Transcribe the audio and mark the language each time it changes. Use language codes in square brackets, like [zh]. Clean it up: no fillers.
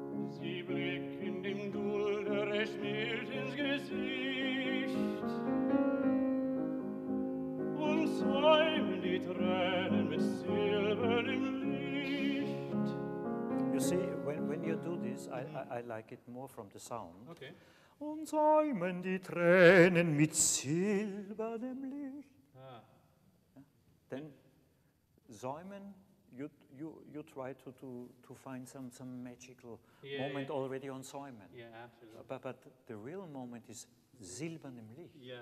[de] Sie blicken dem Dulder recht mild ins Gesicht. Und säumen die Tränen mit silbernem Licht. [en] You see, when you do this, I like it more from the sound. Okay. [de] Und säumen die Tränen mit silbernem Licht. [en] Ah. Yeah. Then, säumen, you try to find some magical moment already on säumen. Yeah, absolutely. But the real moment is [de] silbernem Licht.